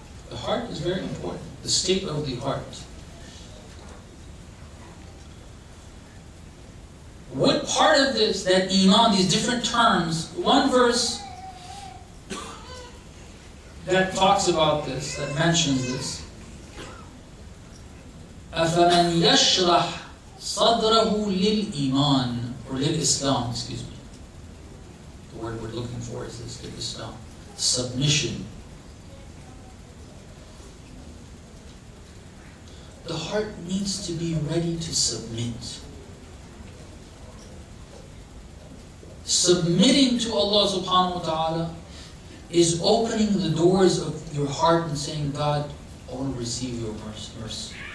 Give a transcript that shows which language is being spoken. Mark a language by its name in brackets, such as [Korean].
[English] The heart is very important. The state of the heart. What part of this, that iman, these different terms, one verse that talks about this, that mentions this. [Arabic] أَفَمَنْ يَشْرَحْ صَدْرَهُ لِلْإِيمَانِ or لِلْإِسْلَامِ, [English] excuse me. The word we're looking for is this, لِلْإِسْلَامِ. Submission. The heart needs to be ready to submit. Submitting to Allah subhanahu wa ta'ala is opening the doors of your heart and saying, God, I want to receive your mercy.